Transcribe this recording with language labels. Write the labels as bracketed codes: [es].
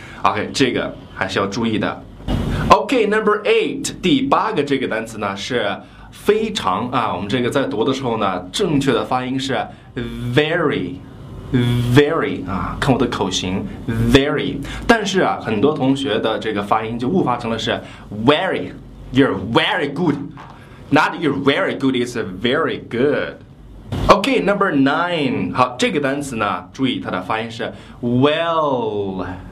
[zh] OK, 这个还是要注意的。OK, [en] number eight, [zh] 第八个这个单词呢是。非常啊，我们这个在读的时候呢，正确的发音是 very, very 啊，看我的口型 very, 但是啊，很多同学的这个发音就误发成了是 very, [en] You're very good. Not you're very good, it's very good. Okay, number nine. [zh] 好，这个单词呢，注意它的发音是 well.